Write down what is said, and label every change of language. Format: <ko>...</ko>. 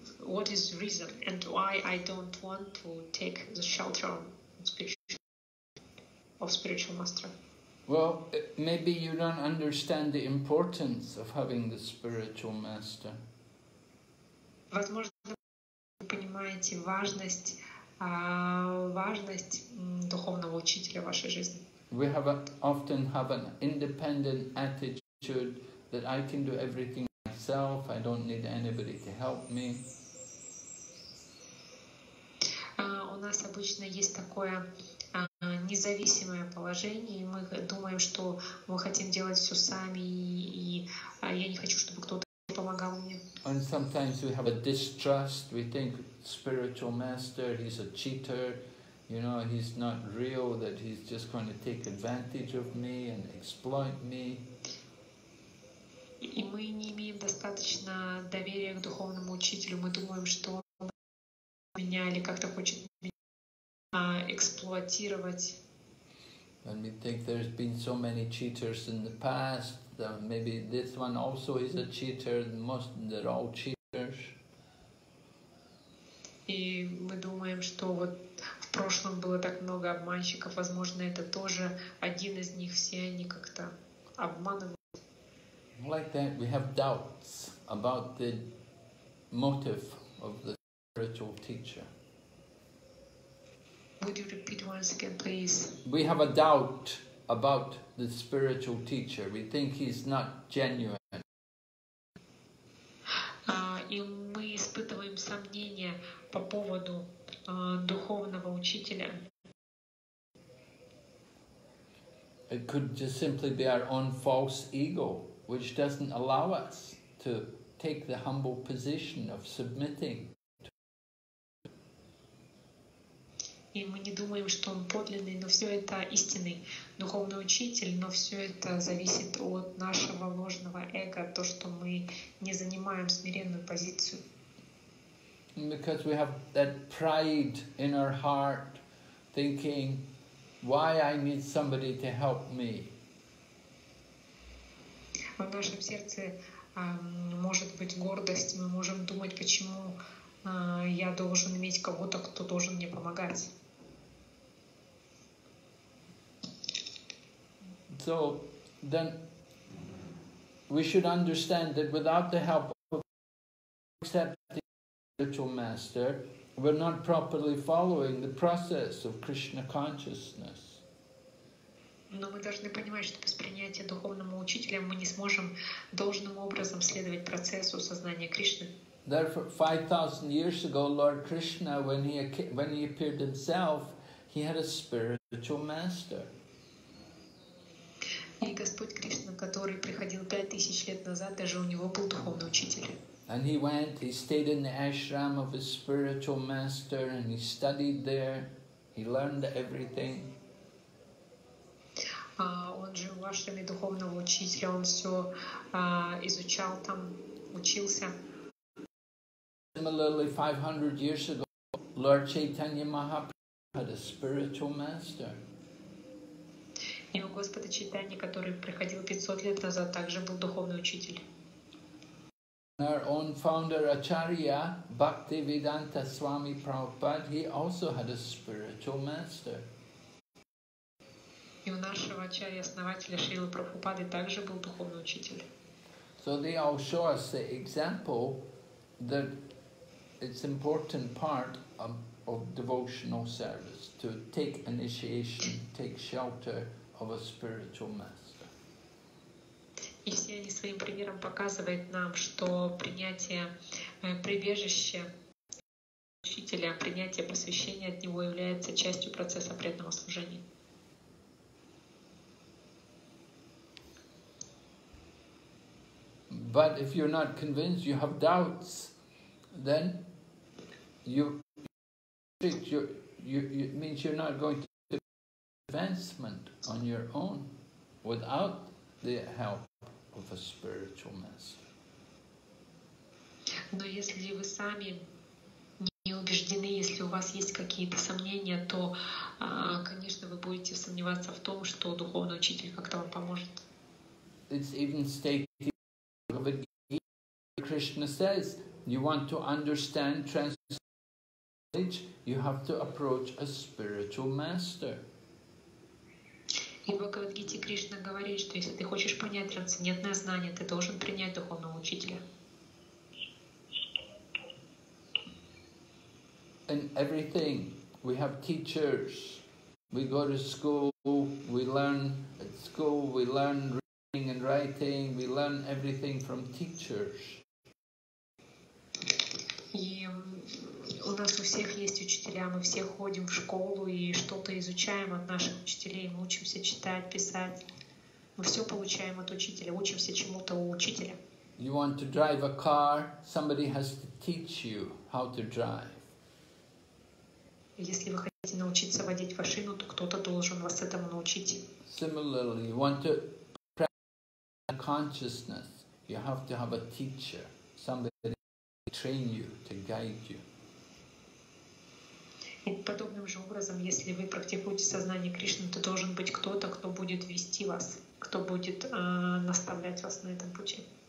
<en>What is the reason, and why I don't want to take the shelter of spiritual master? Well, maybe you don't understand the importance of having the spiritual master.</en> <ru>Возможно, вы понимаете важность духовного учителя в вашей жизни.</ru> <en>We often have an independent attitude that I can do everything myself, I don't need anybody to help me.</en> <ru>У нас обычно есть такое независимое положение, и мы думаем, что мы хотим делать все сами, и я не хочу, чтобы кто-то помогал мне.</ru> <en>And sometimes we have a distrust. We think spiritual master, he's a cheater, you know, he's not real, that he's just going to take advantage of me and exploit me.</en> <ru>И мы не имеем достаточно доверия к духовному учителю. Мы думаем, что он меня или как-то хочет эксплуатировать.</ru> <en>And we think there's been so many cheaters in the past, that maybe this one also is a cheater, most they're all cheaters.</en> <ru>И мы думаем, что вот в прошлом было так много обманщиков, возможно, это тоже один из них, все они как-то обманывают.</ru> <en>Like that, we have doubts about the motive of the spiritual teacher. Would you repeat once again, please? We have a doubt about the spiritual teacher. We think he's not genuine.</en> <ru>И мы испытываем сомнения по поводу духовного учителя.</ru> <en>It could just simply be our own false ego, which doesn't allow us to take the humble position of submitting.</en> <ru>И мы не думаем, что он подлинный, но все это истинный духовный учитель, но все это зависит от нашего ложного эго, то, что мы не занимаем смиренную позицию.</ru> <en>Because we have that pride in our heart, thinking, why I need somebody to help me.</en> <ru>В нашем сердце может быть гордость, мы можем думать, почему я должен иметь кого-то, кто должен мне помогать.</ru> <en>So then we should understand that without the help of accepting the spiritual master, we're not properly following the process of Krishna consciousness.</en> <ru>Но мы должны понимать, что без принятия духовного учителя мы не сможем должным образом следовать процессу сознания Кришны.</ru> <en>Therefore, 5,000 years ago, Lord Krishna, when he appeared himself, he had a spiritual master.</en> <ru>И Господь Кришна, который приходил 5,000 лет назад, даже у него был духовный учитель.</ru> <en>And he went, he stayed in the ashram of his spiritual master, and he studied there, he learned everything.</en> <ru>Он жил в ашраме духовного учителя, он все изучал там, учился.</ru> <en>Similarly, 500 years ago, Lord Chaitanya Mahaprabhu had a spiritual master.</en> <ru>И у Господа Чайтаньи, который приходил 500 лет назад, также был духовный учитель.</ru> <en>Our own founder Acharya, Bhaktivedanta Swami Prabhupada, he also had a spiritual master.</en> <ru>И у нашего ачарьи-основателя Шрилы Прабхупады также был духовный учитель.</ru> <en>So they all show us the example that it's an important part of devotional service to take initiation, take shelter of a spiritual master.</en> <ru>И все они своим примером показывают нам, что принятие прибежища учителя, принятие посвящения от него является частью процесса преданного служения.</ru> <en>But if you're not convinced, you have doubts, then it means you're not going to advancement on your own without the help of a spiritual master.</en> <ru>Но если вы сами не убеждены, если у вас есть какие-то сомнения, то, конечно, вы будете сомневаться в том, что духовный учитель как-то вам поможет.</ru> <en>It's even stated. Krishna says, you want to understand transcendental knowledge, you have to approach a spiritual master.</en> <ru>И Бхагавад Гите Кришна говорит, что если ты хочешь понять трансцендентное знание, ты должен принять духовного учителя.</ru> <en>In everything, we have teachers. We go to school, we learn at school, we learn reading and writing, we learn everything from teachers.</en> <ru>И у нас у всех есть учителя, мы все ходим в школу и что-то изучаем от наших учителей, мы учимся читать, писать. Мы все получаем от учителя, учимся чему-то у учителя.</ru> <en>You want to drive a car, somebody has to teach you how to drive.</en> <ru>Если вы хотите научиться водить машину, то кто-то должен вас этому научить.</ru> <en>Similarly, you want to practice consciousness, you have to have a teacher, somebody train you, to guide you.</en> <ru>И подобным же образом, если вы практикуете сознание Кришны, то должен быть кто-то, кто будет вести вас, кто будет наставлять вас на этом пути.</ru>